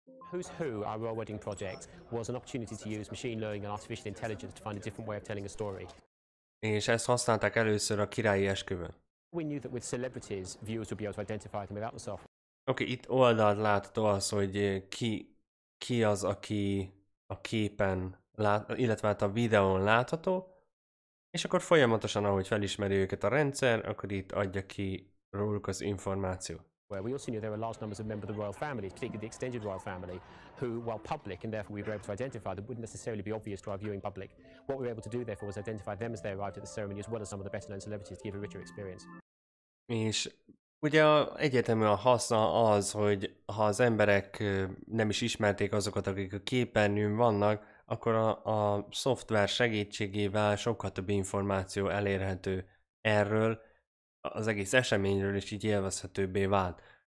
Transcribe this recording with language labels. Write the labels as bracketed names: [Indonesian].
[English] Who's Who, our Royal Wedding Project, was an opportunity to use machine learning and artificial intelligence to find a different way of telling a story. [Hungarian] És ezt használták először a királyi esküvőn. [English] We knew that with celebrities, viewers would be able to identify them without the software. [Hungarian] Oké, itt oldalt látható az, hogy ki az, aki a képen, illetve a videón látható, és akkor folyamatosan, ahogy felismeri őket a rendszer, akkor itt adja ki róluk az információt. [English] Well, we also knew there were large numbers of members of the royal family, particularly the extended royal family, who, while public and therefore we were able to identify them, wouldn't necessarily be obvious to our viewing public. What we were able to do, therefore, was identify them as they arrived at the ceremony, as well as some of the better-known celebrities, to give a richer experience. [Hungarian] És ugye egyértelmű a haszna az, hogy ha az emberek nem is ismerték azokat, akik a képernyőn vannak, akkor a szoftver segítségével sokkal több információ elérhető erről, az egész eseményről is így élvezhetőbbé vált.